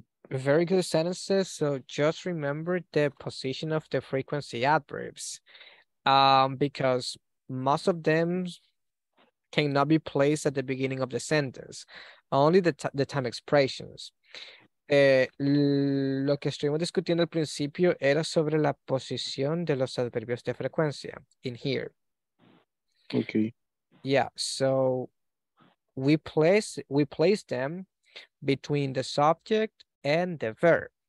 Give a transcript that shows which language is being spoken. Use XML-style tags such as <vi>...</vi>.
<en>Very good sentences. So just remember the position of the frequency adverbs, because most of them cannot be placed at the beginning of the sentence, only the time expressions.</en> <es>Lo que estuvimos discutiendo al principio era sobre la posición de los adverbios de frecuencia</es> <en>in here. Okay. Yeah, so we place them between the subject and the verb.</en>